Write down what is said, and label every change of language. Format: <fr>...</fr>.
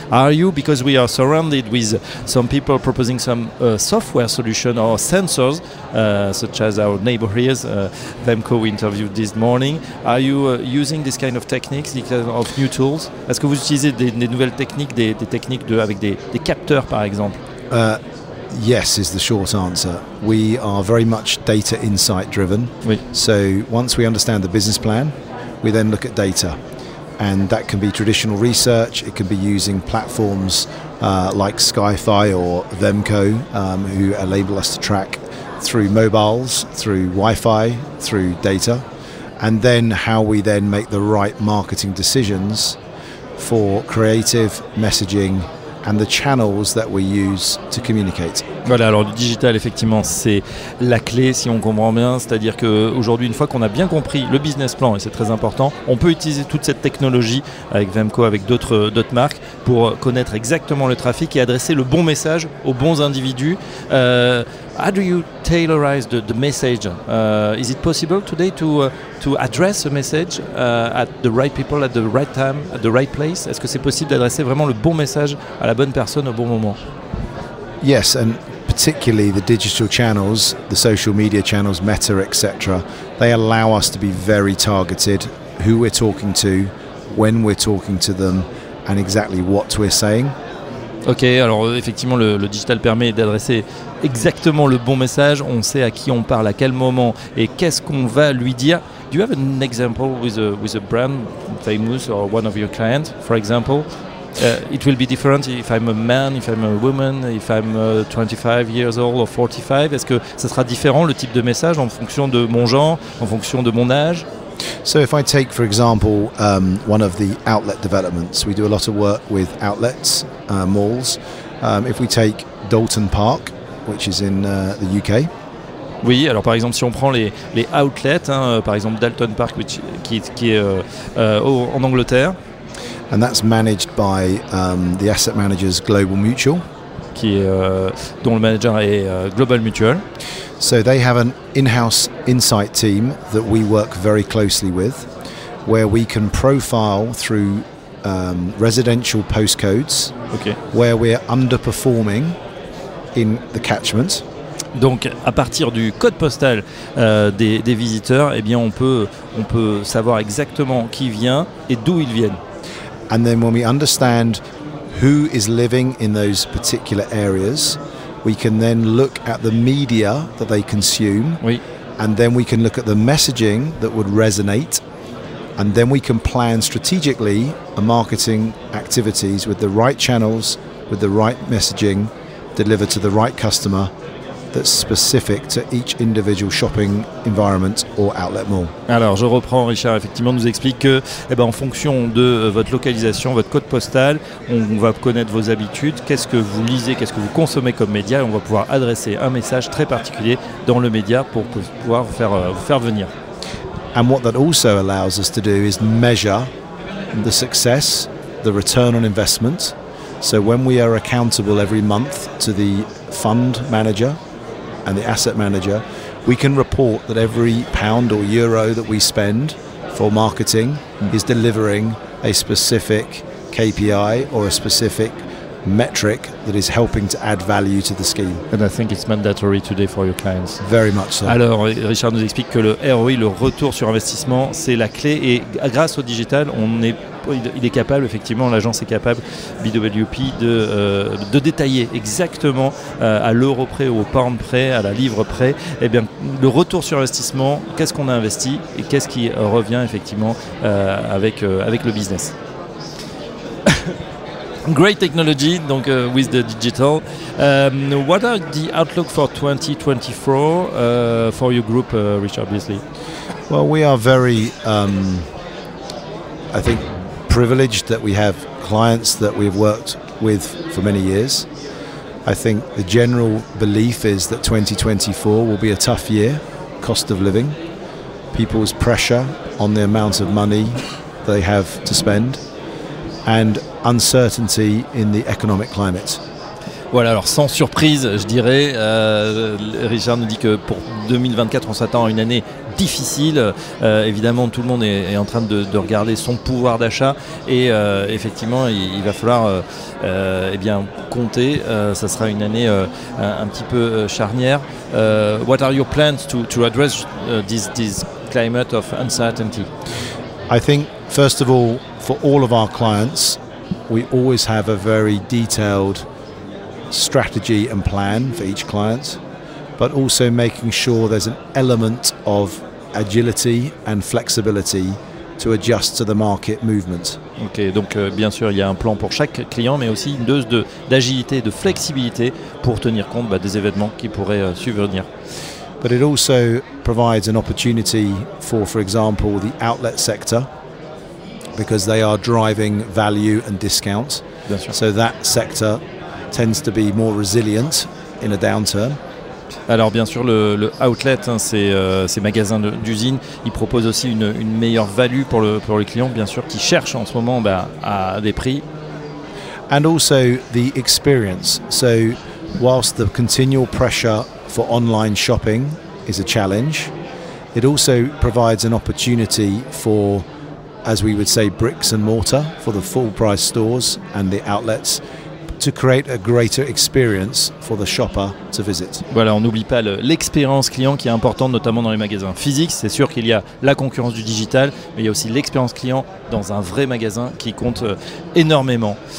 <en>Are you, because we are surrounded with some people proposing some software solution or sensors, such as our neighbor here, Vemco we interviewed this morning, are you using this kind of techniques, this kind of new tools?</en> <fr>Est-ce que vous utilisez des nouvelles techniques, des techniques avec des capteurs par exemple?</fr> <en>Yes is the short answer. We are very much data insight driven.</en> <fr>Oui.</fr> <en>So once we understand the business plan, we then look at data. And that can be traditional research, it can be using platforms like Skyfi or Vemco, who enable us to track through mobiles, through Wi-Fi, through data, and then how we then make the right marketing decisions for creative messaging and the channels that we use to communicate.</en> <fr>Voilà, alors le digital, effectivement, c'est la clé, si on comprend bien. C'est-à-dire qu'aujourd'hui, une fois qu'on a bien compris le business plan, et c'est très important, on peut utiliser toute cette technologie avec Vemco, avec d'autres marques, pour connaître exactement le trafic et adresser le bon message aux bons individus.</fr> <en>How do you tailorize the message? Is it possible today to address a message at the right people, at the right time, at the right place?</en> <fr>Est-ce que c'est possible d'adresser vraiment le bon message à la bonne personne au bon moment?</fr> <en>Yes, and particularly the digital channels, the social media channels, Meta, etc., they allow us to be very targeted, who we're talking to, when we're talking to them, and exactly what we're saying.</en> <fr>Ok, alors effectivement, le digital permet d'adresser exactement le bon message. On sait à qui on parle, à quel moment, et qu'est-ce qu'on va lui dire.</fr> <en>Do you have an example with a brand famous or one of your clients, for example? It will be different if I'm a man, if I'm a woman, if I'm 25 years old or 45.</en> <fr>Est-ce que ça sera différent le type de message en fonction de mon genre, en fonction de mon âge?</fr> <en>So if I take, for example, one of the outlet developments, we do a lot of work with outlets, malls. If we take Dalton Park, which is in the UK.</en> <fr>Oui, alors par exemple, si on prend les outlets, hein, par exemple Dalton Park, qui est en Angleterre.</fr> <en>And that's managed by the asset managers Global Mutual.</en> <fr>Dont le manager est Global Mutual.</fr> <en>So they have an in-house insight team that we work very closely with, where we can profile through residential postcodes, okay, where we're underperforming in the catchment.</en> <fr>Donc à partir du code postal des visiteurs, eh bien on peut savoir exactement qui vient et d'où ils viennent.</fr> <en>And then when we understand who is living in those particular areas, we can then look at the media that they consume,</en> <fr>oui,</fr> <en>and then we can look at the messaging that would resonate, and then we can plan strategically a marketing activities with the right channels, with the right messaging, delivered to the right customer that's specific to each individual shopping environment or outlet mall.</en> <fr>Alors, je reprends, Richard, effectivement, nous explique que, eh ben, en fonction de votre localisation, votre code postal, on va connaître vos habitudes, qu'est-ce que vous lisez, qu'est-ce que vous consommez comme média, et on va pouvoir adresser un message très particulier dans le média pour pouvoir vous faire venir.</fr> <en>And what that also allows us to do is measure the success, the return on investment. So when we are accountable every month to the fund manager and the asset manager, we can report that every pound or euro that we spend for marketing is delivering a specific KPI or a specific metric that is helping to add value to the scheme. And I think it's mandatory today for your clients. Very much so.</en> <fr>Alors, Richard nous explique que le ROI, le retour sur investissement, c'est la clé, et grâce au digital, il est capable, effectivement, l'agence est capable, BWP, de détailler exactement à l'euro près, au pound près, à la livre près, eh bien, le retour sur investissement, qu'est-ce qu'on a investi et qu'est-ce qui revient, effectivement, avec le business.</fr> <en>Great technology, donc with the digital. What are the outlook for 2024 for your group, Richard Beasley? Well, we are very, I think, privileged that we have clients that we've worked with for many years. I think the general belief is that 2024 will be a tough year, cost of living, people's pressure on the amount of money they have to spend, and uncertainty in the economic climate.</en> <fr>Voilà, alors sans surprise, je dirais, Richard nous dit que pour 2024, on s'attend à une année difficile. Évidemment, tout le monde est en train de regarder son pouvoir d'achat, et effectivement, il va falloir compter. Ça sera une année un petit peu charnière.</fr> <en>What are your plans to address this climate of uncertainty? I think, first of all, for all of our clients, we always have a very detailed strategy and plan for each client, but also making sure there's an element of agility and flexibility to adjust to the market movement.</en> <fr>Ok, donc bien sûr, il y a un plan pour chaque client, mais aussi une dose d'agilité, de flexibilité pour tenir compte des événements qui pourraient survenir.</fr> <en>but it also provides an opportunity for example, the outlet sector, because they are driving value and discounts. That's right. So that sector tends to be more resilient in a downturn.</en> <fr>Alors bien sûr, le outlet, hein, ces magasins d'usine, ils proposent aussi une meilleure value pour les clients, bien sûr, qui cherchent en ce moment à des prix.</fr> <en>And also the experience. So whilst the continual pressure for online shopping is a challenge, it also provides an opportunity for, as we would say, bricks and mortar, for the full price stores and the outlets, to create a greater experience for the shopper to visit.</en> <fr>Voilà, on n'oublie pas l'expérience client qui est importante, notamment dans les magasins physiques. C'est sûr qu'il y a la concurrence du digital, mais il y a aussi l'expérience client dans un vrai magasin qui compte énormément.</fr>